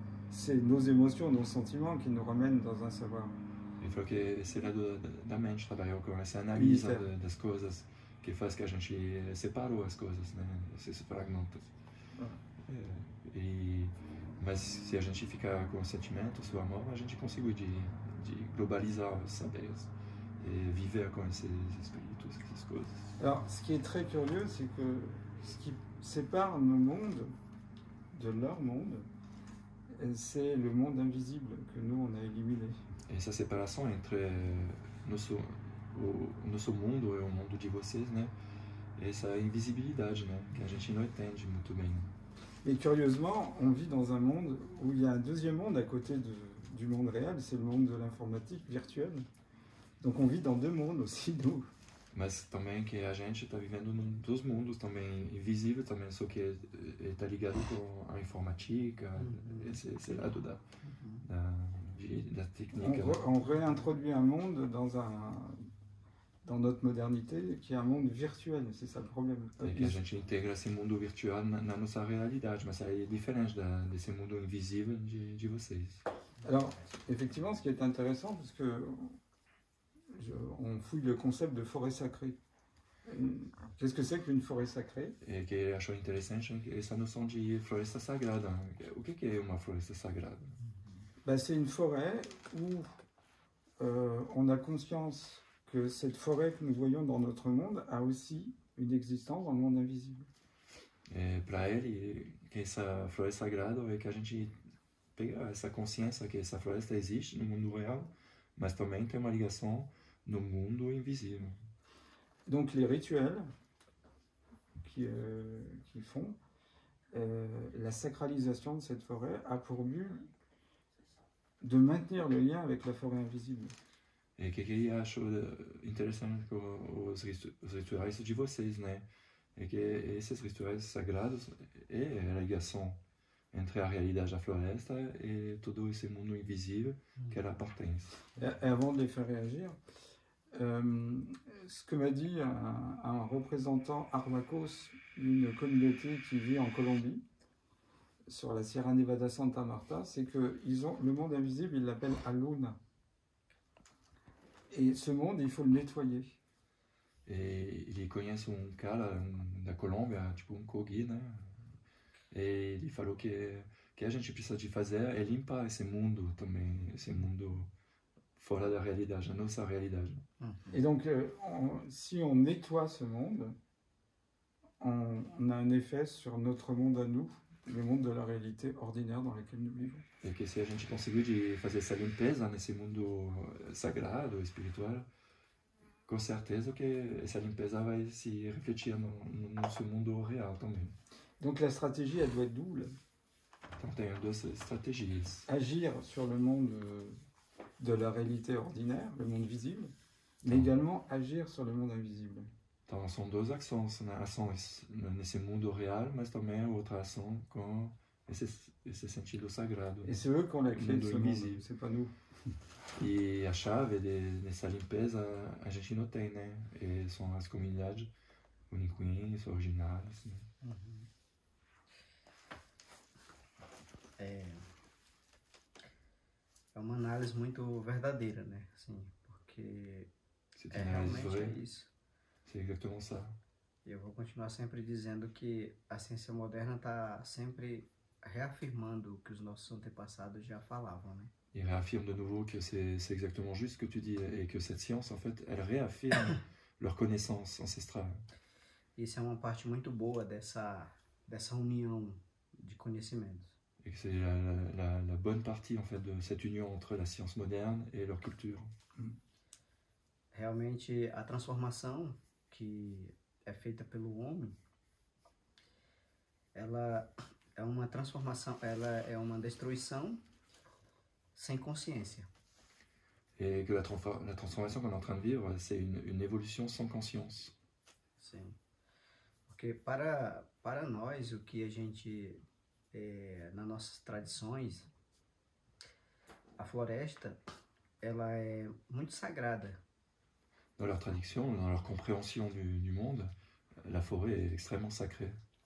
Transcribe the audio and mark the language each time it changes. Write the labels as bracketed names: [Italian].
[French] C'est nos émotions, nos sentiments qui nous ramènent dans un savoir [Portuguese] Ele falou que esse lado da mente trabalhou com essa analisa [French] unitaire. [Portuguese] das coisas, que faz que a gente separou as coisas, né? Esses fragmentos. É. Mas se a gente ficar com o sentimento, o seu amor, a gente consegue de globalizar os saberes e viver com esses espíritos, essas coisas. [French] Alors, ce qui est très curieux, c'est que ce qui sépare nos mondes de leur monde, c'est le monde invisible que nous on a éliminé. Et cette séparation entre notre monde et le monde de vous, né? Et cette invisibilité, né? [Portuguese] Que a gente não entende muito bem. [French] Et curieusement, on vit dans un monde où il y a un deuxième monde à côté du monde réel, c'est le monde de l'informatique virtuelle. Donc on vit dans deux mondes aussi, nous. [Portuguese] Mas também que a gente está vivendo num dos mundos também invisível também, só que está ligado com a informática, esse lado da técnica. [French] On réintroduit un monde dans notre modernité qui est un monde virtuel, c'est ça le problème. [Portuguese] Que a gente integra esse mundo virtual na nossa realidade, mas aí é diferente desse mundo invisível de vocês. [French] Alors, effectivement, ce qui est intéressant, parce que on fouille le concept de forêt sacrée. Qu'est-ce que c'est qu'une forêt sacrée? Et que j'ai trouvé intéressant, c'est la notion de forêt sagrada. Qu'est-ce que c'est une forêt sagrada? Ben, c'est une forêt où on a conscience que cette forêt que nous voyons dans notre monde a aussi une existence dans le monde invisible. Et pour elle, que cette forêt sagrada est que [Portuguese] a gente pega essa consciência que essa floresta existe no mundo real, mas também tem uma ligação no mundo invisível. [French] Donc les rituels qui font la sacralisation de cette forêt a pour but de maintenir le lien avec la forêt invisible. Et que [Portuguese] eu acho interessante com os rituais de vocês, né? É que esses rituais sagrados é a ligação entre [French] la réalité de la forêt et tout ce monde invisible qui lui appartient. Et avant de les faire réagir, ce que m'a dit un représentant Armacos, une communauté qui vit en Colombie, sur la Sierra Nevada Santa Marta, c'est que le monde invisible, ils l'appellent Aluna. Et ce monde, il faut le nettoyer. Et ils connaissent un cas là, de Colombie, type un cogui, né? Et il a dit que [Portuguese] a gente precisa de fazer é limpar esse mundo também, esse mundo fora da realidade, a nossa realidade. [French] Et donc, si on nettoie ce monde, on a un effet sur notre monde à nous, le monde de la réalité ordinaire dans laquelle nous vivons. Et que si [Portuguese] a gente conseguiu de fazer essa limpeza nesse mundo sagrado, espiritual, com certeza que essa limpeza vai se refletir no nosso mundo real também. [French] Donc la stratégie, elle doit être double. Donc, il y a deux stratégies. Agir sur le monde de la réalité ordinaire, le monde visible, mais également agir sur le monde invisible. Donc, ce sont deux actions. Une action dans ce monde réel, mais aussi une autre action dans ce [Portuguese] sentido sagrado. [French] Et c'est eux qui ont la clé de ce monde, c'est pas nous. Et la [Portuguese] chave [French] de cette [Portuguese] limpeza, a gente não tem, né? [French] Et sont les communautés uniquines, originales. [Portuguese] Né? É uma análise muito verdadeira, né? Assim, porque é realmente isso. [French] C'est exactement ça. [Portuguese] Eu vou continuar sempre dizendo que a ciência moderna está sempre reafirmando o que os nossos antepassados já falavam, né? E reafirma de novo que [French] c'est exactement juste ce que tu dis et que cette science en fait elle réaffirme leur connaissance ancestrale. [Portuguese] Isso é uma parte muito boa dessa união de conhecimentos. [French] Et que c'est la bonne partie en fait de cette union entre la science moderne et leur culture. [Portuguese] Realmente a transformação que é feita pelo homem, ela é uma transformação, ela é uma destruição sem consciência. [French] Et que la transformation qu'on est en train de vivre, c'est une évolution sans conscience. [Portuguese] Sim. Porque para nós o que a gente nas nossas tradições, a floresta, ela é muito sagrada. Na sua tradição, na sua compreensão do mundo, a floresta é extremamente sagrada.